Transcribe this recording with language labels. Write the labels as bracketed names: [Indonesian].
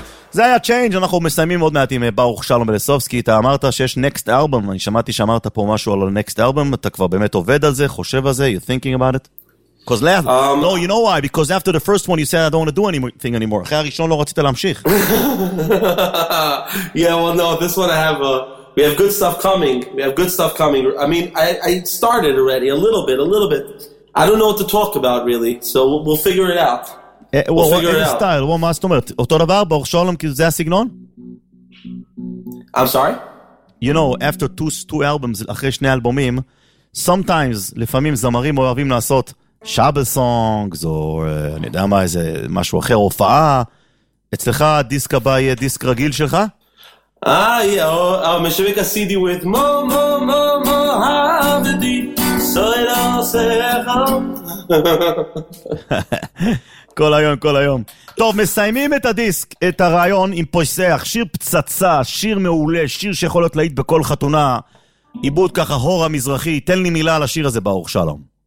[Hebrew] זה היה צ'יינג', אנחנו מסיימים עוד מעט עם ברוך שלום בלסובסקי. אתה אמרת שיש נקסט אלבום, אני שמעתי שאמרת פה משהו על הנקסט אלבום, אתה כבר באמת עובד על זה, חושב על זה, [English] you're thinking about it? Because left, no, you know why, because after the first one you said I don't want to do anything anymore. [Hebrew] אחרי הראשון לא רצית להמשיך. [English] Yeah, well, no, this one I have, we have good stuff coming, we have good stuff coming. I mean, I started already, a little bit. I don't know what to talk about really, so we'll figure it out. [Hebrew] איזה סטייל, מה זאת אומרת? אותו דבר, ברוך שלום, כי זה הסגנון? [English] I'm sorry? You know, after two albums, [Hebrew] אחרי שני אלבומים, [English] sometimes, [Hebrew] לפעמים זמרים אוהבים לעשות [English] Shabbos songs, [Hebrew] או אני יודע מה, איזה משהו אחר, הופעה. אצלך הדיסק הבא יהיה דיסק רגיל שלך? [English] I'm [Hebrew] משווק ה-CD [English] with Mo, Havidi, so it all say [Hebrew] how. כל היום, כל היום. טוב, מסיימים את הדיסק, את הרעיון עם פויסח, שיר פצצה, שיר מעולה, שיר שיכול להיות להיט בכל חתונה, עיבוד ככה, הור המזרחי, תן לי מילה על השיר הזה, ברוך שלום.